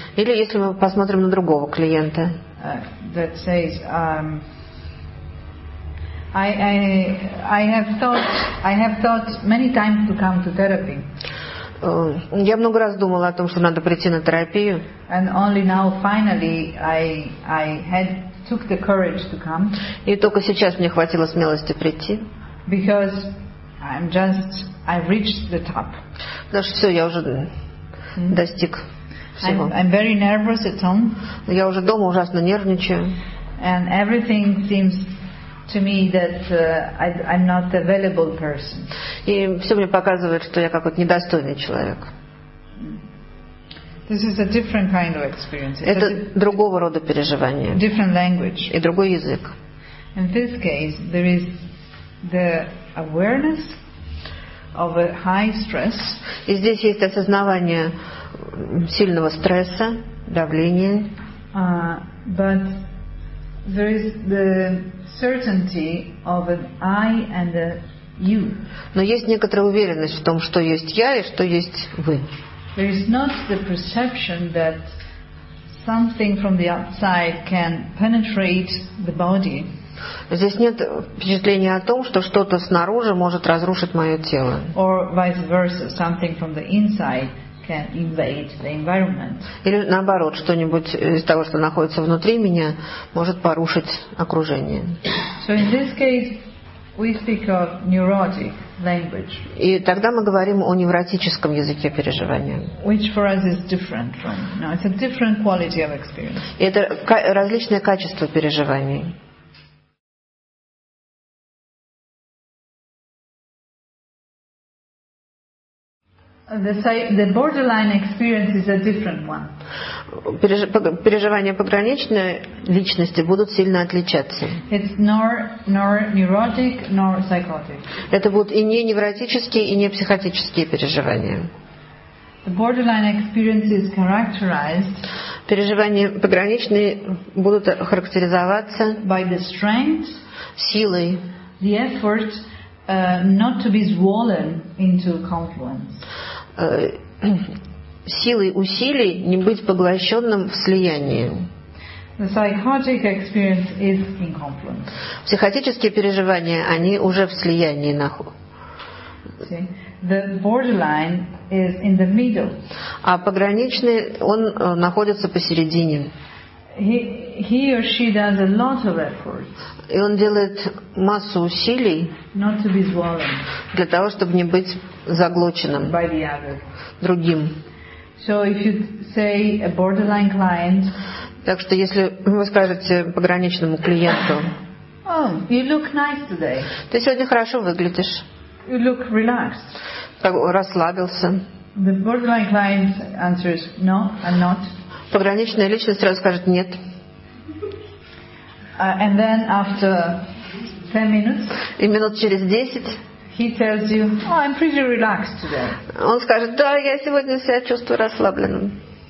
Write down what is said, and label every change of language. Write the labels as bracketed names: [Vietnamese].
[Russian] или если мы посмотрим на другого клиента, [English] that says, I have thought many times to come to therapy. [Russian] Я много раз думала о том, что надо прийти на терапию. [English] And only now, finally, I took the courage to come. [Russian] И только сейчас мне хватило смелости прийти. [English] Because I've reached the top. [Russian] Потому что все, я уже достиг всего. [English] I'm very nervous at home. [Russian] Я уже дома ужасно нервничаю. [English] And everything seems to me that I'm not an available person. [Russian] И все мне показывает, что я какой-то недостойный человек. [English] This is a different kind of experience. [Russian] Это другого рода переживание. [English] Different language. [Russian] И другой язык. [English] In this case, there is the awareness of a high stress. [Russian] И здесь есть осознавание сильного стресса, давления. [English] But there is the certainty of an I and a you. [Russian] Но есть некоторая уверенность в том, что есть я и что есть вы. [English] There is not the perception that something from the outside can penetrate the body. [Russian] Здесь нет впечатления о том, что что-то снаружи может разрушить мое тело. [English] Or vice versa, something from the inside can invade the environment. [Russian] Или наоборот, что-нибудь из того, что находится внутри меня, может порушить окружение. [English] So in this case, We speak of neurotic language. [Russian] И тогда мы говорим о невротическом языке переживания. [English] Which for us is different from, no, it's a different quality of experience. [Russian] И это различное качество переживаний. [English] The borderline experience is a different one. [Russian] Переживания пограничной личности будут сильно отличаться. [English] It's nor neurotic, nor psychotic. [Russian] Это будут и не невротические, и не психотические переживания. [English] The borderline experience is characterized. [Russian] Переживания пограничные будут характеризоваться [English] by the strength, [Russian] силой, [English] the effort, not to be swollen into confluence. [Russian] Силой усилий не быть поглощенным в слиянии. [English] The psychotic experience is in confluence. [Russian] Психотические переживания, они уже в слиянии. [English] The borderline is in the middle. [Russian] А пограничный, он находится посередине. [English] He or she does a lot of effort. [Russian] И он делает массу усилий [English] not to be swollen [Russian] для того, чтобы не быть заглоченным [English] by the other. [Russian] Другим. [English] So if you say a borderline client, [Russian] так что если вы скажете пограничному клиенту, [English] oh, you look nice today. [Russian] Ты сегодня хорошо выглядишь. [English] You look relaxed. [Russian] Так, расслабился. [English] The borderline client answers, no, I'm not. [Russian] Пограничная личность сразу скажет нет. [English] And then after 10 minutes, [Russian] и минут через 10 [English] he tells you, oh, I'm pretty relaxed today. [Russian] Он скажет, да, я сегодня себя чувствую расслабленным.